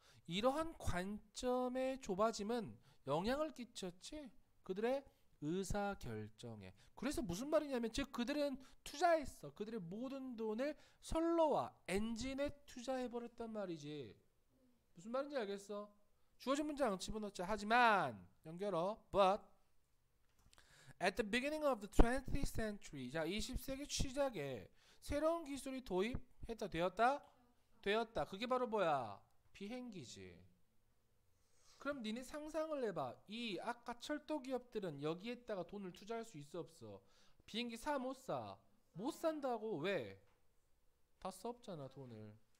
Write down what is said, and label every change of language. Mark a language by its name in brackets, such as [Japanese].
[Korean] 이러한 관점의 좁아짐은 영향을 끼쳤지? 그들의 의사결정에. 그래서 무슨 말이냐면, 즉, 그들은 투자했어. 그들의 모든 돈을 선로와 엔진에 투자해버렸단 말이지. 무슨 말인지 알겠어? 주어진 문장 집어넣자. 하지만, 연결어. [English] But, at the beginning of the 20th century. [Korean] 자, 20세기 시작에 새로운 기술이 도입했다. 되었다? 되었다. 그게 바로 뭐야? 비행기지. 그럼 니네 상상을 해봐. 이 아까 철도 기업들은 여기에다가 돈을 투자할 수 있어 없어? 비행기 사못 사? 못 산다고. 왜? 다 써없잖아, 돈을.